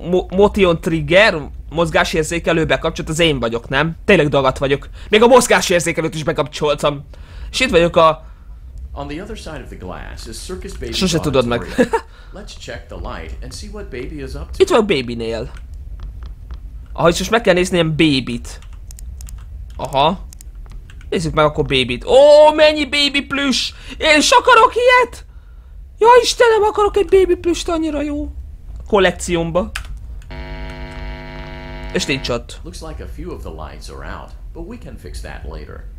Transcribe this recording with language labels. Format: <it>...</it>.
<en>Motion trigger,</en> <hu>mozgásérzékelő bekapcsolt, az én vagyok, nem? Tényleg dagadt vagyok. Még a mozgásérzékelőt is bekapcsoltam. És itt vagyok a...</hu> <en>On the other side of the glass is Circus Baby.</en> <hu>Sose tudod meg.</hu> <en>Let's check the light and see what Baby is up to.</en> <hu>Itt vagyok Babynél. Aha, és most meg kell nézni ilyen Babyt. Aha. Nézzük meg akkor Babyt. Ó, mennyi Baby plüss! Én is akarok ilyet! Ja Istenem, akarok egy Baby plüst, annyira jó. Kollekciómba. És nincs ott.</hu> <en>Looks like a few of the lights are out, but we can fix that later.</en>